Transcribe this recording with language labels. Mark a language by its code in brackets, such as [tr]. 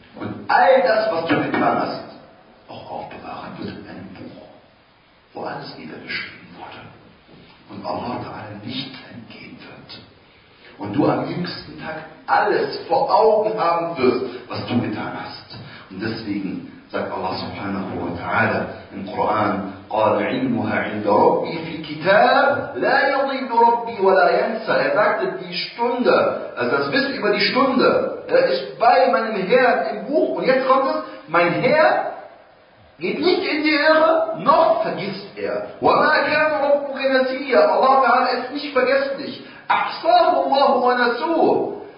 [de] Und all das, was du getan hast, auch aufbewahrt wird in einem Buch, wo alles niedergeschrieben wurde. Und Allah ta'ala nicht entgehen wird. Und du am jüngsten Tag alles vor Augen haben wirst, was du getan hast. Und deswegen sagt Allah subhanahu wa ta'ala im Koran, قَالَ عِلْمُهَا عِلْدَ رَبِّي فِي كِتَابِ لَا يَضِيلُ رَبِّي وَلَا يَنْسَى. Er sagte, die Stunde, also das Wissen über die Stunde, er ist bei meinem Herrn im Buch. Und jetzt kommt es, mein Herr geht nicht in die Irre, noch vergisst er. [ar] وَمَا كَانَ رَبُّكَ نَسِيًّا. [de] Allah ta'ala ist nicht vergesslich. [ar] أَحْصَاهُ اللَّهُ وَنَسُوهُ.